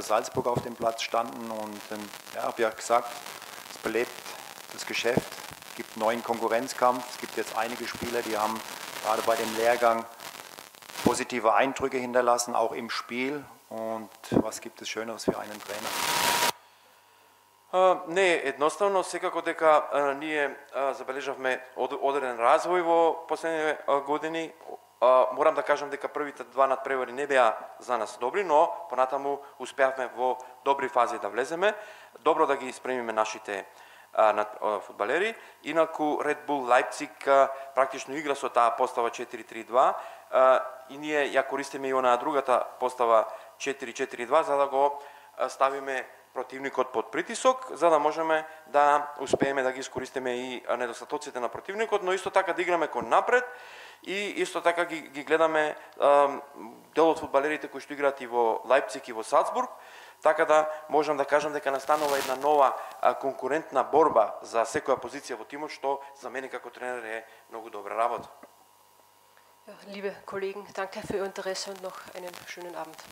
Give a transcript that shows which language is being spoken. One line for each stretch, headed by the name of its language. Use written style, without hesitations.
German: Salzburg auf dem Platz standen. Und ja, ich habe ja gesagt, es belebt das Geschäft. Es gibt neuen Konkurrenzkampf, es gibt jetzt einige Spieler, die haben gerade bei dem Lehrgang positive Eindrücke hinterlassen, auch im Spiel. Und was gibt es Schöneres für einen Trainer?
Macedonian: Не, едноставно, секако дека ние забележавме одреден развој во последните години, морам да кажам дека првите два надпревари не беа за нас добри, но понатаму успеавме во добри фази да влеземе, добро да ги спремиме нашите на фудбалери. Инаку Red Bull Leipzig практично игра со таа постава 4-3-2 и ние ја користиме и онаа другата постава 4-4-2 за да го ставиме противникот под притисок, за да можеме да успееме да ги искористиме и недостатоците на противникот, но исто така да играме кон напред и исто така ги гледаме дел од фудбалерите кои што играат и во Leipzig и во Salzburg. Така да можам да кажам дека настанува една нова конкурентна борба за секоја позиција во тимот, што за мене како тренер е многу добра работа.
German: Liebe Kollegen, danke für Ihr Interesse und noch einen schönen Abend.